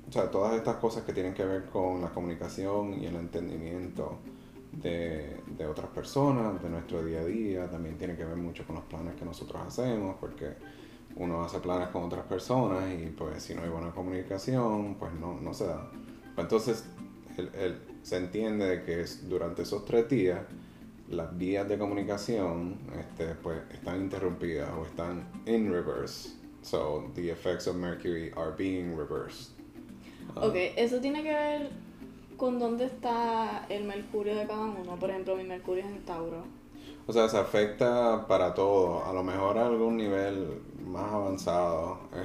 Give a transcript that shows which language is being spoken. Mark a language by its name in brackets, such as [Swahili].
[Spanish] todas estas cosas que tienen que ver con la comunicación y el entendimiento de otras personas, de nuestro día a día, también tiene que ver mucho con los planes que nosotros hacemos, porque uno hace planes con otras personas y pues si no hay buena comunicación, pues no se da. Entonces él se entiende que durante esos 3 días las vías de comunicación pues están interrumpidas o están [English] in reverse. So the effects of Mercury are being reversed. [Spanish] Okay, eso tiene que ver con dónde está el Mercurio de cada uno. Por ejemplo, mi Mercurio es en Tauro. O sea, se afecta para todo. A lo mejor a algún nivel más avanzado,